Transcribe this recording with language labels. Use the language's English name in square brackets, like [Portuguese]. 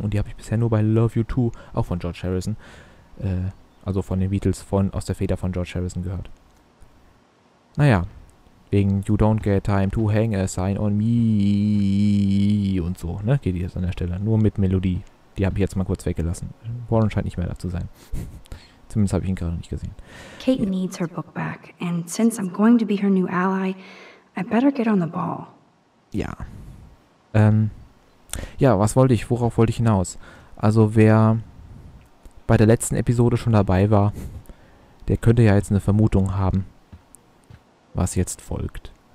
[German] Und die habe ich bisher nur bei Love You Too, auch von George Harrison. Also von den Beatles, von aus der Feder von George Harrison gehört. Naja. Wegen You Don't Get Time to Hang a Sign on Me und so, ne? Geht jetzt an der Stelle. Nur mit Melodie. Die habe ich jetzt mal kurz weggelassen. Warren scheint nicht mehr da zu sein. Zumindest habe ich ihn gerade nicht gesehen. [English] Kate needs her book back. And since I'm going to be her new ally, I better get on the ball. [German] Ja. Ja, was wollte ich? Worauf wollte ich hinaus? Also, wer bei der letzten Episode schon dabei war, der könnte ja jetzt eine Vermutung haben, was jetzt folgt.